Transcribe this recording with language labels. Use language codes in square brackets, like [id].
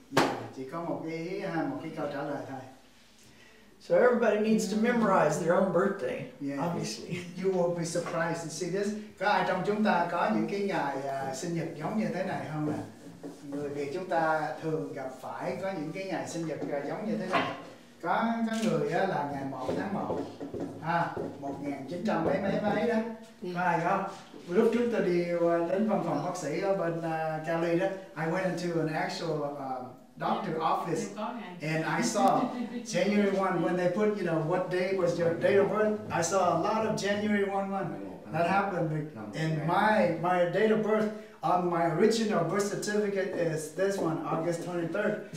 [en] So everybody needs to memorize their own birthday, obviously. You will be surprised to see this. [vi] Có ai trong chúng ta có những cái ngày sinh nhật giống như thế này không ạ? Người Việt chúng ta thường gặp phải có những cái ngày sinh nhật giống như thế này. Có người á là ngày 1 tháng 1 ha, 1900 mấy đó. Có ai không? Lúc trước tôi đi đến văn phòng bác sĩ ở bên Cali đó, [en] I went into an actual doctor office and I saw January 1 when they put, you know, what day was your date of birth? I saw a lot of January 1. That happened and my date of birth on my original birth certificate is this one, August 23rd.